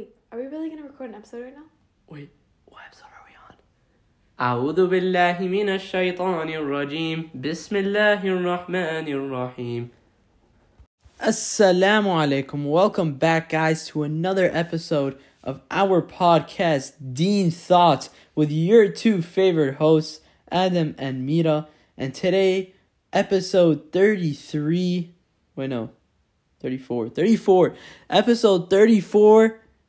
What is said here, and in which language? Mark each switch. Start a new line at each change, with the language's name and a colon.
English: Are we really going to record an episode right now? Wait, what episode are we on?
Arabic: أعوذ بالله من الشيطان الرجيم بسم الله الرحمن الرحيم. Assalamu alaikum.
English: Welcome back, guys, to another episode of our podcast, Deen Thoughts, with your two favorite hosts, Adam and Mira. And today, episode 33. Wait, no. 34. Episode 34.